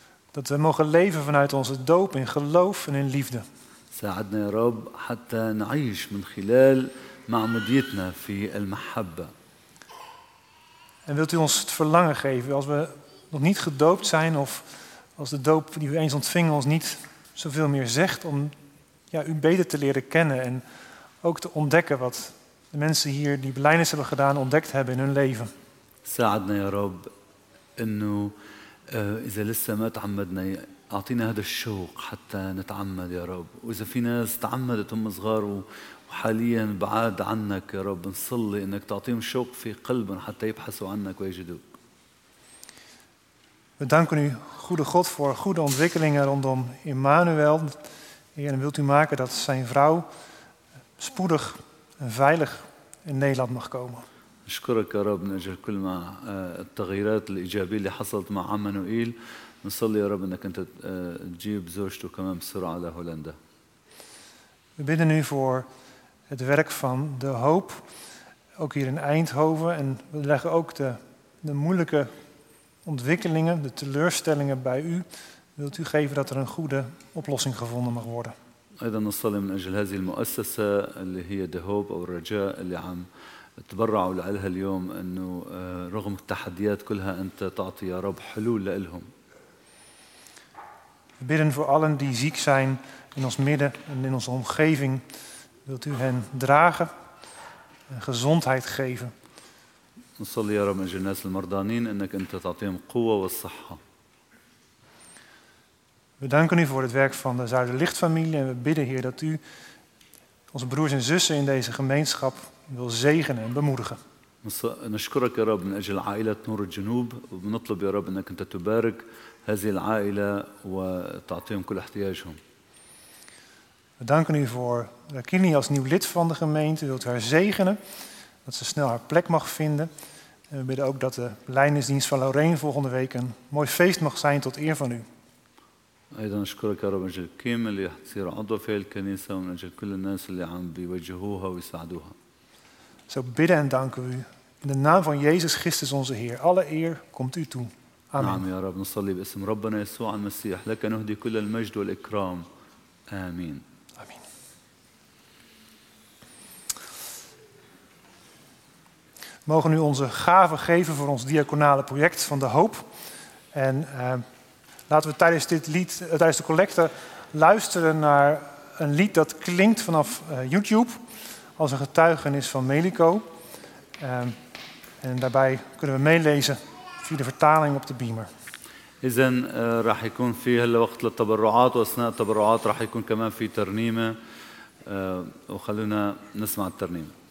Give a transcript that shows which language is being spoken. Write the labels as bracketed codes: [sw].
[nl] Dat we mogen leven vanuit onze doop in geloof en in liefde. [ar] ساعدنا يا رب حتى نعيش من خلال معموديتنا في المحبة. [nl] En wilt u ons het verlangen geven als we nog niet gedoopt zijn of als de doop die u eens ontvingen ons niet zoveel meer zegt om u beter te leren kennen en ook te ontdekken wat de mensen hier die belijdenis hebben gedaan ontdekt hebben in hun leven. [ar] ساعدنا يا رب انه اذا لسه ما تعمدنا أعطينا هذا الشوق حتى نتعمد يا رب وإذا في ناس تعمدت هم صغار وحاليا بعاد عنك يا رب نصلي إنك تعطيهم الشوق في قلبهم حتى يبحثوا عنك ويجدوك. [nl] We danken u, goede God, voor goede ontwikkelingen rondom Emmanuel. Heer, en wilt u maken dat zijn vrouw spoedig en veilig in Nederland mag komen? [ar] نشكرك يا رب من أجل كل ما التغييرات الإيجابية اللي حصلت مع عمانوئيل. نصلي يا رب أنك أنت تجيب زوجته كمان بسرعة على هولندا. [nl] We bidden nu voor het werk van de hoop, ook hier in Eindhoven. En we leggen ook de moeilijke ontwikkelingen, de teleurstellingen bij u. Wilt u geven dat er een goede oplossing gevonden mag worden? [ar] أيضا نصلي من أجل هذه المؤسسة اللي هي The Hope أو الرجاء اللي عم تبرعوا لعلها اليوم أنه رغم التحديات كلها أنت تعطي يا رب حلول لإلهم. [nl] We bidden voor allen die ziek zijn in ons midden en in onze omgeving. Wilt u hen dragen en gezondheid geven? [ar] نصلي يا رب من أجل الناس المرضانين أنك أنت تعطيهم قوة والصحة. [nl] We danken u voor het werk van de Zuiderlichtfamilie en we bidden, Heer, dat u onze broers en zussen in deze gemeenschap wil zegenen en bemoedigen. [ar] نشكرك يا رب من أجل عائلة نور الجنوب ونطلب يا رب أنك أنت تبارك هذه العائلة وتعطيهم كل احتياجهم. [nl] We danken u voor Rakini als nieuw lid van de gemeente. Wilt u haar zegenen, dat ze snel haar plek mag vinden. En we bidden ook dat de leidingsdienst van Lorraine volgende week een mooi feest mag zijn tot eer van u. [ar] أيضا نشكرك يا رب من أجل كيم اللي حتصير عضو في الكنيسة ومن أجل كل الناس اللي عم بيوجهوها ويساعدوها. [nl] So bidden en danken u. In de naam van Jezus Christus onze Heer. Alle eer komt u toe. Amen. [ar] نعم يا رب نصلي باسم ربنا يسوع المسيح. لك نهدي كل المجد والإكرام. آمين. آمين. [nl] Mogen u onze gaven geven voor ons diaconale project van de hoop. En laten we tijdens dit lied, tijdens de collecte, luisteren naar een lied dat klinkt vanaf YouTube als een getuigenis van Melico. En daarbij kunnen we meelezen via de vertaling op de beamer. [ar] إذن راح يكون في هالوقت للتبرعات وأثناء التبرعات راح يكون كمان في ترنيمة وخلونا نسمع الترنيمة.